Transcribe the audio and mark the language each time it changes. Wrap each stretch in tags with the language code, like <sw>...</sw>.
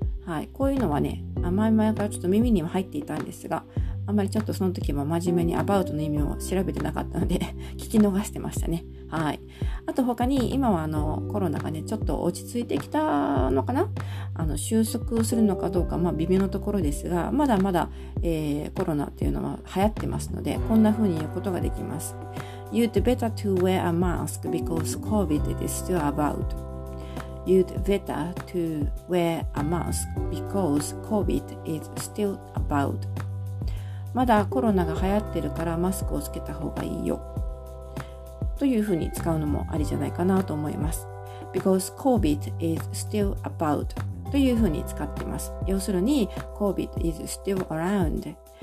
<ja>はい、こういうのはね、前々からちょっと耳には入っていたんですが、あまりちょっとその時は真面目に about の意味を調べてなかったので聞き逃してましたね。はい、あと他に今はコロナがねちょっと落ち着いてきたのかな、収束するのかどうか、微妙なところですが、まだまだ、コロナっていうのは流行ってますので、こんな風に言うことができます。</ja> <en>You'd better to wear a mask because COVID is still about. You'd better to wear a mask because COVID is still about.</en> <ja>まだコロナが流行ってるからマスクをつけた方がいいよというふうに使うのもありじゃないかなと思います。</ja> <en>Because COVID is still about</en> <ja>というふうに使っています。要するに</ja> <en>COVID is still around。</en>